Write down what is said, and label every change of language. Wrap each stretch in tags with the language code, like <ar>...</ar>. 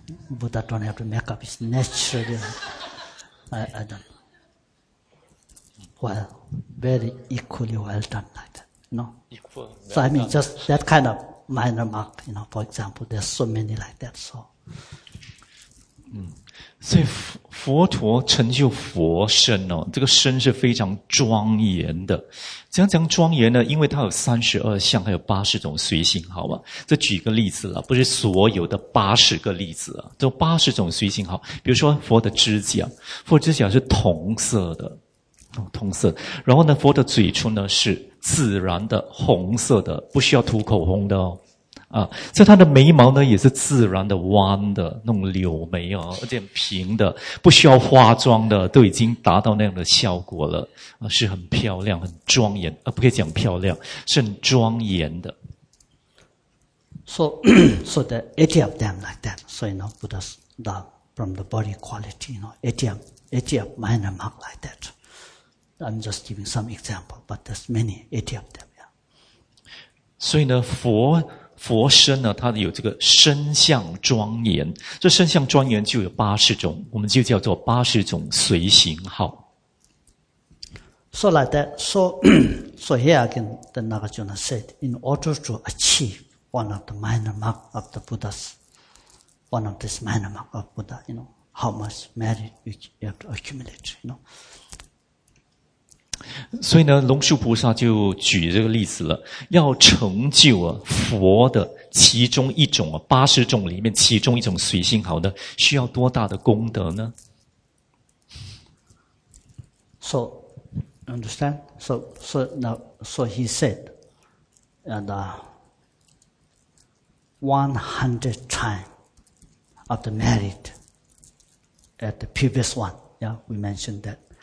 <en>Buddha don't have to make up. It's natural. I don't know. Well, very equally well done like that. You know? So I mean, just that kind of minor mark, you know, for example, there's so many like that, so.</en> <zh>所以佛陀成就佛身哦，这个身是非常庄严的。怎样讲庄严呢？因为他有32相，还有80种随行，好吧？这举个例子了，不是所有的80个例子啊，就80种随行好。比如说佛的指甲，佛指甲是铜色的，铜色。然后呢，佛的嘴唇呢是自然的红色的，不需要涂口红的哦。啊，所以他的眉毛呢也是自然的弯的那种柳眉哦，而且平的，不需要化妆的，都已经达到那样的效果了，是很漂亮、很庄严，不可以讲漂亮，是很庄严的。</zh> <en>So the 80 of them like that, so you know, Buddha's love from the body quality, you know, 80 of minor mark like that. I'm just giving some example, but there's many 80 of them. Yeah.</en> <zh>所以呢，佛身呢，它有这个身相庄严，这身相庄严就有80种，我们就叫做80种随行好。</zh> <en>So like that, so here again, the Nagarjuna said, in order to achieve one of the minor mark of the Buddha's, one of this minor mark of Buddha, you know, how much merit you have to accumulate, you know.</en> <zh>所以呢，龙树菩萨就举这个例子了，要成就啊佛的其中一种啊80种里面其中一种随行好呢，需要多大的功德呢</zh> <en>？So understand? So now, so he said, and 100 times of the merit at the previous one. Yeah, we mentioned that.</en>